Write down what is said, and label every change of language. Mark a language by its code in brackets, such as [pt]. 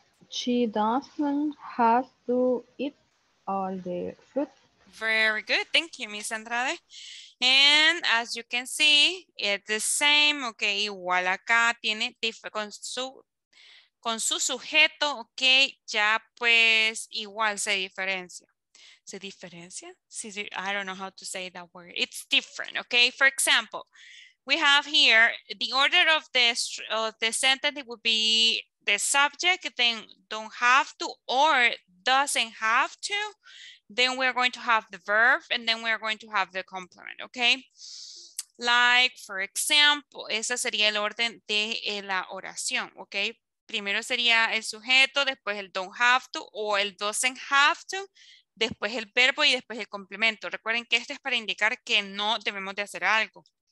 [en] She doesn't have to eat all the fruit. Very good. Thank you, Miss Andrade. And as you can see, it's the same. [es] Okay, igual acá tiene diferente con su sujeto, ok, ya pues igual se diferencia. ¿Se diferencia? [en] I don't know how to say that word. It's different, ok. For example, we have here the order of the sentence, it would be the subject, then don't have to or doesn't have to. Then we're going to have the verb and then we're going to have the complement, ok. like, for example. [es] Ese sería el orden de la oración, ¿ok? Primero sería el sujeto, después el don't have to o el doesn't have to, después el verbo y después el complemento. Recuerden que este es para indicar que no debemos de hacer algo.